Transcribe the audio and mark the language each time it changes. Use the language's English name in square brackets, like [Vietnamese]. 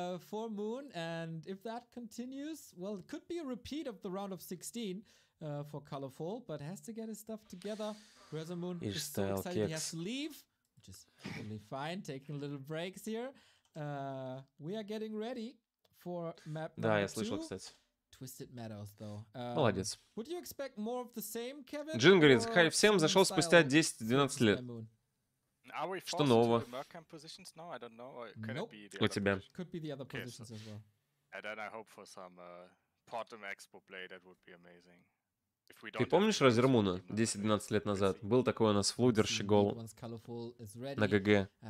[English] For Moon, and if that continues, well, it could be a repeat of the round of 16 for Colorful, but has to get his stuff together. Resumoon is so excited he has to leave. which is totally fine. Taking little breaks here. We are getting ready for map number 2. [Russian] Да, я слышал, кстати. [English] Twisted Meadows, though. [Russian] Молодец. [English] Would you expect more of the same, Kevin? [Russian] Джин говорит, хай всем, зашел спустя 10-12 лет. Что нового? У тебя. [English] Could be the other positions as well. And then I hope for some Portum Expo play, that would be amazing. [Russian] Ты помнишь Розермуна 10-12 лет назад? Был такой у нас флудер, щегол на ГГ.